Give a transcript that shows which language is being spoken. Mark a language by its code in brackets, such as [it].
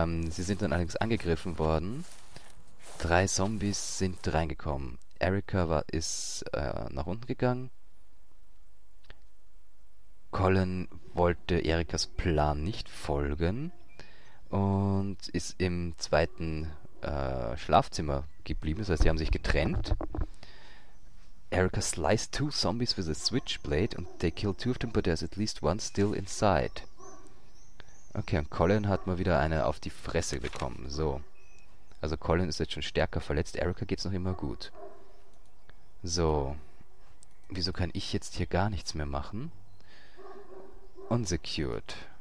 [de] Sie sind dann allerdings angegriffen worden. 3 Zombies sind reingekommen. Erica ist nach unten gegangen. Colin wollte Erikas Plan nicht folgen und ist im zweiten Schlafzimmer geblieben. Das heißt, sie haben sich getrennt. [en] Erica sliced two zombies with a switchblade and they killed two of them, but there's at least one still inside. [de] Okay, und Colin hat mal wieder eine auf die Fresse bekommen. So. Also Colin ist jetzt schon stärker verletzt. Erica geht's noch immer gut. So. Wieso kann ich jetzt hier gar nichts mehr machen? [en] Unsecured.